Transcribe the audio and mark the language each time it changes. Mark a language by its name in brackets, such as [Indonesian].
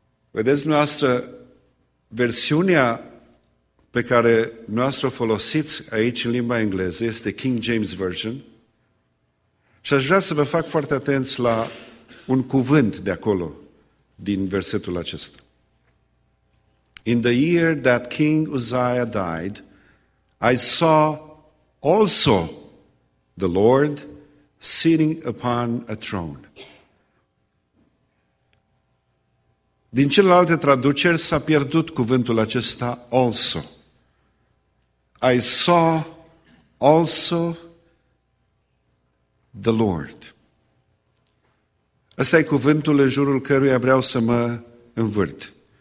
[Romanian] Vedeți, noastră, versiunea pe care noastră o folosiți aici în limba engleză este King James Version și aș vrea să vă fac foarte atenți la un cuvânt de acolo, din versetul acesta. [English] In the year that King Uzziah died, I saw also the Lord sitting upon a throne. [Romanian] Din celelalte traduceri s-a pierdut cuvântul acesta, also. [English] I saw also the Lord. [Romanian] Ăsta e cuvântul în jurul căruia vreau să mă învârt.